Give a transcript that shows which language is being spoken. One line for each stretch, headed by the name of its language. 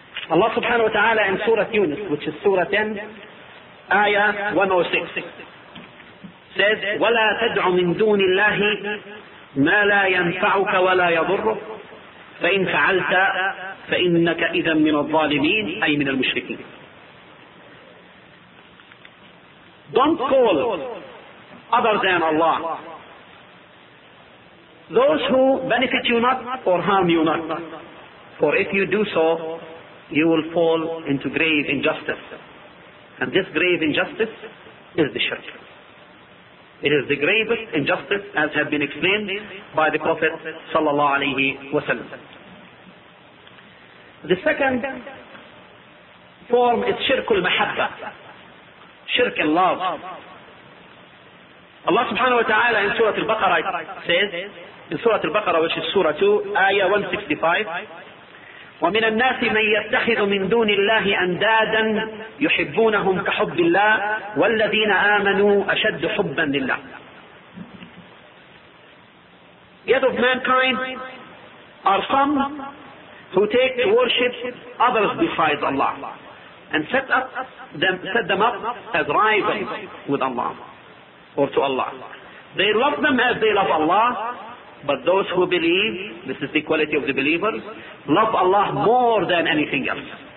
English: Allah subhanahu wa ta'ala in Surah Yunus, which is Surah 10, Ayah 106, says,
Arabic: وَلَا تَدْعُ مِن دُونِ اللَّهِ مَا لَا يَنْفَعُكَ وَلَا يَضُرُّكَ فَإِنْ فَعَلْتَ فَإِنَّكَ إِذًا مِنَ الظَّالِمِينَ أي من المشركين.
English: Don't call other than Allah those who benefit you not or harm you not. For if you do so, you will fall into grave injustice. And this grave injustice is the shirk. It is the gravest injustice, as have been explained by the Prophet sallallahu alayhi wa sallam. The second form is shirk al-mahabba, shirk in love. Allah subhanahu wa ta'ala in Surah Al-Baqarah says, in Surah Al-Baqarah, which is Surah 2, Ayah 165,
Arabic: وَمِنَ النَّاسِ مَنْ يَتَّخِذُ مِنْ دُونِ اللَّهِ أَنْدَادًا يُحِبُّونَهُمْ كَحُبِّ اللَّهِ وَالَّذِينَ آمَنُوا أَشَدُّ حُبًّا لِلَّهِ.
English: Yet of mankind are some who take to worship others besides Allah and set them up as rivals with Allah. Or to Allah. They love them as they love Allah, but those who believe, this is the quality of the believer, love Allah more than anything else.